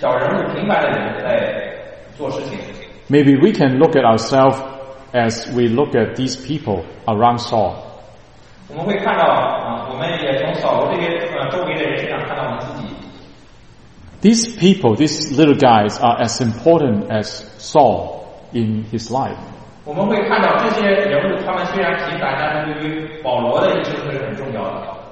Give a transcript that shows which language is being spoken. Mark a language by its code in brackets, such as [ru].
[zh] 但是呢，我们在这个故事当中，我们也可以看到神借着一些小人物、平凡的人在做事情。 [en] Maybe we can look at ourselves as we look at these people around Saul. [zh] 我们会看到，我们也从扫罗这些周围的人身上看到我们自己。 [en] These people, these little guys, are as important as Saul in his life. [zh] 我们会看到这些人物，他们虽然平凡，但是对于保罗的一生是很重要的。